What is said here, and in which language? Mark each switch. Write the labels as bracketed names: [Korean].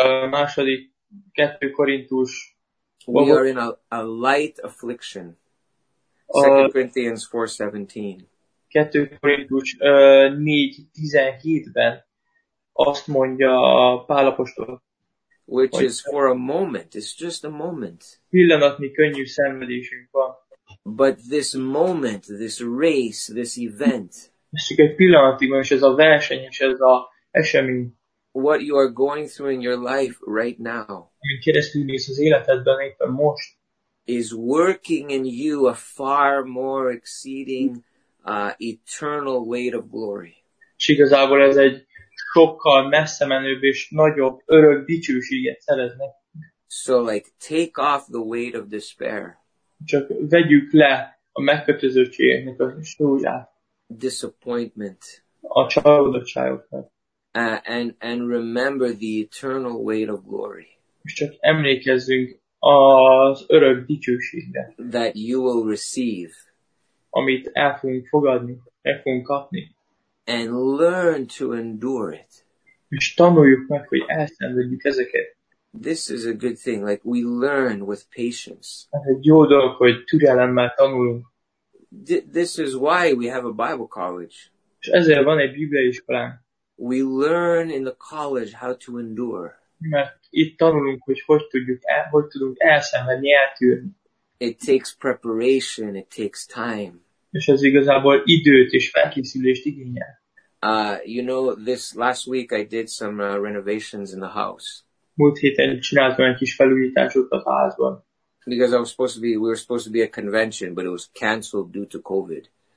[Hungarian] Második 2 Korintus. [English] We are in a light affliction. 2 Corinthians 4:17. [Hungarian] 2 Korintus 4:17-ben azt mondja a Pál apostol. [English] Which is for a moment, it's just a moment. [Hungarian] Pillanatnyi könnyű szenvedésünk van. [English] But this moment, this race, this event. [Hungarian] És csak egy pillanatig van, és ez a verseny, és ez a esemény. [English] What you are going through in your life right now. [Hungarian] Amin keresztül néz az életedben éppen most. [English] Is working in you a far more exceeding eternal weight of glory. [Hungarian] És igazából ez egy sokkal messze menőbb és nagyobb örök dicsőséget szereznek. [English] So like take off the weight of despair. [Hungarian] Csak vegyük le a megkötözöttségeknek a súlyát. [English] Disappointment. [Hungarian] A csalódottságoknak. [English] And remember the eternal weight of glory. [Hungarian] És csak emlékezzünk az örök dicsőségre. [English] That you will receive. [Hungarian] Amit el fogunk fogadni, el fogunk kapni. [English] And learn to endure it. [Hungarian] És tanuljuk meg, hogy elszenvedjük ezeket. [English] This is a good thing, like we learn with patience. [Hungarian] Ez egy jó dolog, hogy türelemmel tanulunk. [English] This is why we have a Bible college. [Hungarian] És ezért van egy bibliai iskolánk. [English] We learn in the college how to endure. [Hungarian] Mert itt tanulunk, hogy tudunk elszenvedni, eltűrni. [English] It takes preparation, it takes time. [Hungarian] És ez igazából időt és felkészülést igényel. [English] You know, this last week I did some renovations in the house. [Hungarian] Múlt héten csináltam egy kis felújításot a házban. [English] Because we were supposed to be a convention, but it was cancelled due to COVID.